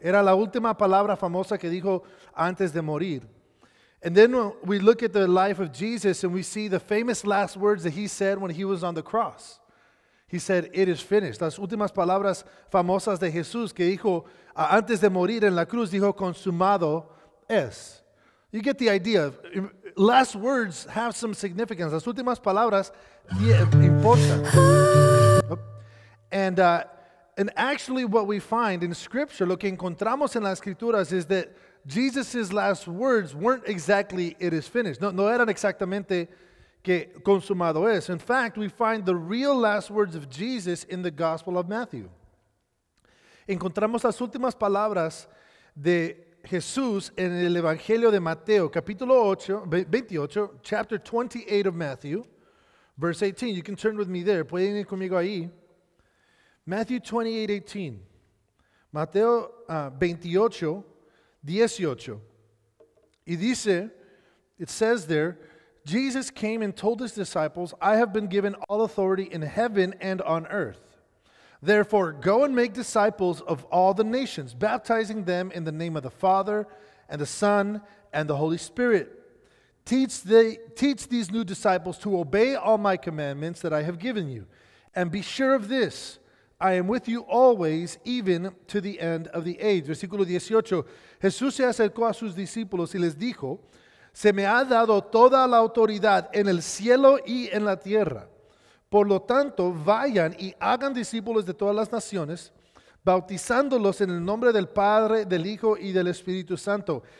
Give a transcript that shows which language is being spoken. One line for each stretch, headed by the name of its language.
Spanish: Era la última palabra famosa que dijo antes de morir.
English: And then we look at the life of Jesus and we see the famous last words that he said when he was on the cross. He said, "It is finished."
Spanish: Las últimas palabras famosas de Jesús que dijo antes de morir en la cruz, dijo, "Consumado es."
English: You get the idea. Last words have some significance.
Spanish: Las últimas palabras importan.
English: And actually what we find in Scripture,
Spanish: lo que encontramos en las Escrituras,
English: is that Jesus' last words weren't exactly, "It is finished."
Spanish: No eran exactamente, "Que consumado es."
English: In fact, we find the real last words of Jesus in the Gospel of Matthew.
Spanish: Encontramos las últimas palabras de Jesús en el Evangelio de Mateo, capítulo 28,
English: chapter 28 of Matthew, verse 18. You can turn with me there.
Spanish: Pueden ir conmigo ahí.
English: Matthew 28, 18.
Spanish: Mateo 28, 18. Y dice,
English: it says there, "Jesus came and told his disciples, 'I have been given all authority in heaven and on earth. Therefore, go and make disciples of all the nations, baptizing them in the name of the Father and the Son and the Holy Spirit. Teach these new disciples to obey all my commandments that I have given you. And be sure of this, I am with you always, even to the end of the age."
Spanish: Versículo 18. Jesús se acercó a sus discípulos y les dijo, "Se me ha dado toda la autoridad en el cielo y en la tierra. Por lo tanto, vayan y hagan discípulos de todas las naciones, bautizándolos en el nombre del Padre, del Hijo y del Espíritu Santo.